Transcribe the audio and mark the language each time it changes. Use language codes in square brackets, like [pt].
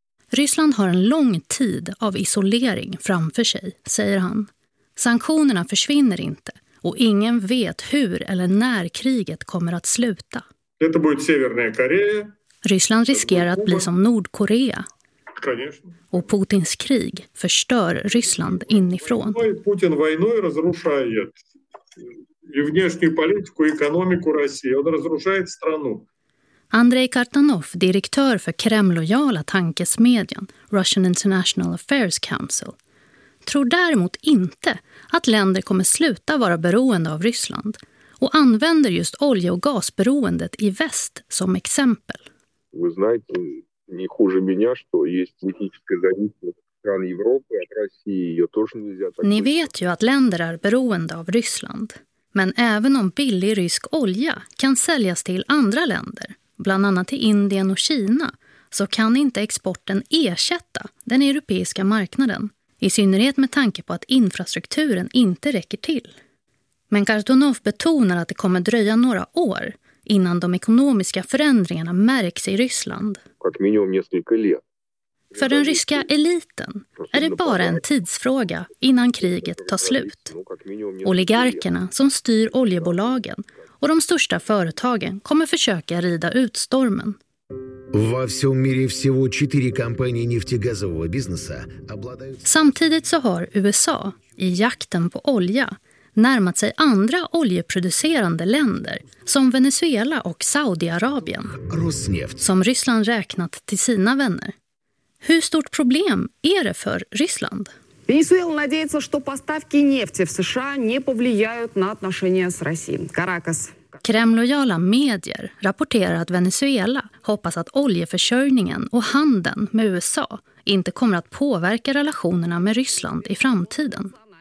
[sv] Ryssland har en lång tid av isolering framför sig, säger han. Sanktionerna försvinner inte och ingen vet hur eller när kriget kommer att sluta. Det blir Sydkorea. Ryssland riskerar att bli som Nordkorea. Och Putins krig förstör Ryssland inifrån. [ru] Putin войной разрушает и внешнюю политику, и экономику России. Он разрушает страну. [sv] Andrei Kartanov, direktör för Kremlojala tankesmedjan Russian International Affairs Council, tror däremot inte att länder kommer sluta vara beroende av Ryssland och använder just olje- och gasberoendet i väst som exempel. [ru] Вы знаете, не хуже меня, что есть техническая зависимость стран Европы от России, её тоже нельзя так. [sv] Ni vet ju att länder är beroende av Ryssland, men även om billig rysk olja kan säljas till andra länder, bland annat till Indien och Kina, så kan inte exporten ersätta den europeiska marknaden, i synnerhet med tanke på att infrastrukturen inte räcker till. Men Kartanov betonar att det kommer dröja några år innan de ekonomiska förändringarna märks i Ryssland. För den ryska eliten är det bara en tidsfråga innan kriget tar slut. Oligarkerna som styr oljebolagen och de största företagen kommer försöka rida ut stormen. Samtidigt så har USA i jakten på olja närmat sig andra oljeproducerande länder som Venezuela och Saudiarabien, som Ryssland räknat till sina vänner. Hur stort problem är det för Ryssland? [ru] Венесуэла надеется, что поставки нефти в США не повлияют на отношения с Россией. Каракас. [sv] Kremlojala medier rapporterar att Venezuela hoppas att oljeförsörjningen och handeln med USA inte kommer att påverka relationerna med Ryssland i framtiden.